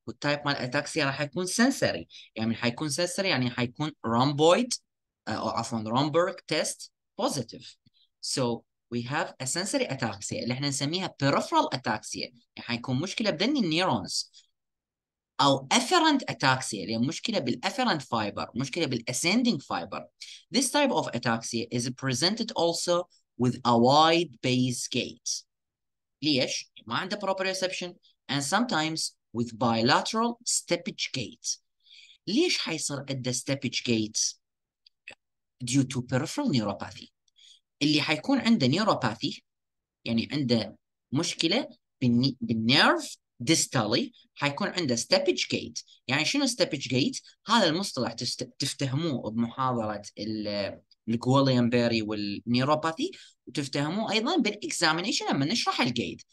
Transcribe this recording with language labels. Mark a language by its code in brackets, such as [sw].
[ar] والتايب مال ataxia راح يكون sensory، يعني من حيكون sensory يعني حيكون rhomboid أو عفوا Romberg test positive. [en] So we have a sensory ataxia [ar] اللي إحنا نسميها peripheral ataxia، يعني حيكون مشكلة بدني النيرونز، أو afferent ataxia اللي هي مشكلة بال afferent fiber، مشكلة بال ascending fiber. [en] This type of ataxia is presented also with a wide base gait. [ar] ليش؟ ما عنده [en] proprioception and sometimes with bilateral steppage gait. [ar] ليش حيصير عنده [en] steppage gait؟ Due to peripheral neuropathy. [ar] اللي حيكون عنده neuropathy يعني عنده مشكلة بالnerve distally حيكون عنده steppage gait. يعني شنو steppage gait؟ هذا المصطلح تفتهموه بمحاضرة الجوليمبيري والنيروباثي، وتفتهموه أيضا بالإكزامينيشن لما نشرح الجيت.